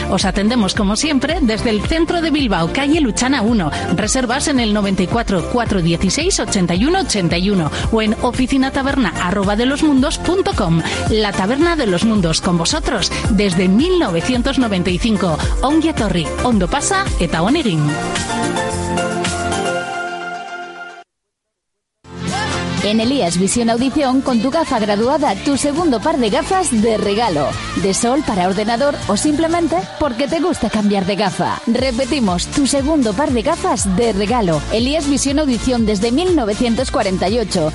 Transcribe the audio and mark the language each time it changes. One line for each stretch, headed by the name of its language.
Spanish: Os atendemos, como siempre, desde el centro de Bilbao, calle Luchana 1. Reservas en el 94-416-8181 o en oficinataberna@delosmundos.com. La Taberna de los Mundos, con vosotros, desde 1995.
Basque: Ongi etorri, ondo pasa, eta on egin.
Spanish: En Elías Visión Audición, con tu gafa graduada, tu segundo par de gafas de regalo. De sol para ordenador o simplemente porque te gusta cambiar de gafa. Repetimos, tu segundo par de gafas de regalo. Elías Visión Audición desde 1948.